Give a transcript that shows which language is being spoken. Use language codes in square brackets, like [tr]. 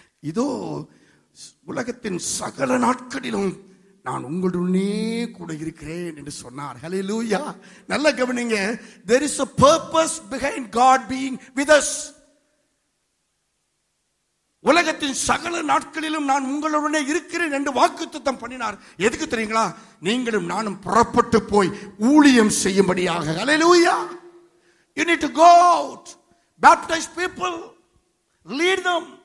[ta] இதோ உலகத்தின் சகல நாட்களிலும் நான் உங்களுடனே கூட இருக்கிறேன் என்று சொன்னார். ஹல்லேலூயா. நல்ல கவனிங்க. [en] There is a purpose behind God being with us. [ta] உலகத்தின் சகல நாட்களிலும் நான் உங்களுடனே இருக்கிறேன் என்று வாக்குத்தத்தம் பண்ணினார். எதுக்கு தெரியுங்களா? நீங்களும் நானும் புறப்பட்டு போய் ஊழியம் செய்யும்படியாக. ஹல்லேலூயா. [en] You need to go out, baptize people, lead them.